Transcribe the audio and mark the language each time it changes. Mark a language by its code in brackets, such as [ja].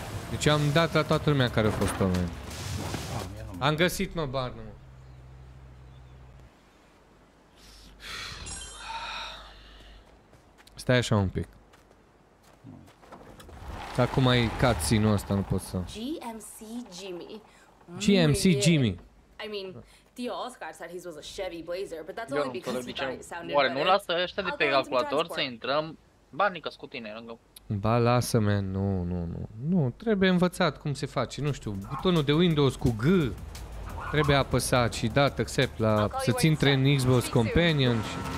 [ro] Deci am dat la toată lumea care a fost pe mine. Am găsit, mă, barnul. Stai așa un pic. Acum ai cutscene-ul ăsta, nu pot să... [en] GMC Jimmy. GMC Jimmy. I mean, Theo Oscar said he was a Chevy Blazer, but that's only because he thought it sounded better. [ro] Oare nu lasă ăștia de pe calculator să intrăm? Barnicăs cu tine, lângă. Ba, lasă, man, nu, nu, nu. Nu, trebuie învățat cum se face, nu știu, butonul de Windows cu G trebuie apăsat și dat accept la să-ți intre în Xbox Companion și...